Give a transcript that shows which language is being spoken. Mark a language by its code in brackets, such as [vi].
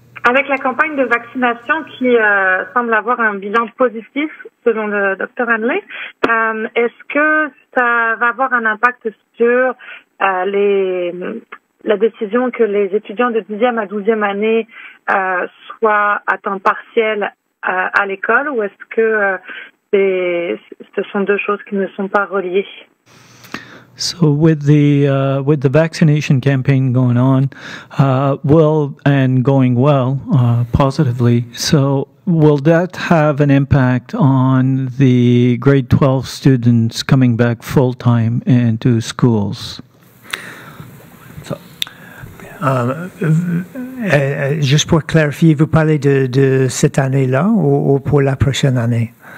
[fr] Avec la campagne de vaccination qui semble avoir un bilan positif, selon le Dr Hanley, est-ce que ça va avoir un impact sur la décision que les étudiants de 10e à 12e année soient à temps partiel à l'école, ou est-ce que ce sont deux choses qui ne sont pas reliées? [en] So with the vaccination campaign going on, positively, so will that have an impact on the grade 12 students coming back full time into schools? [fr] Juste pour clarifier, vous parlez de cette année-là ou pour la prochaine année?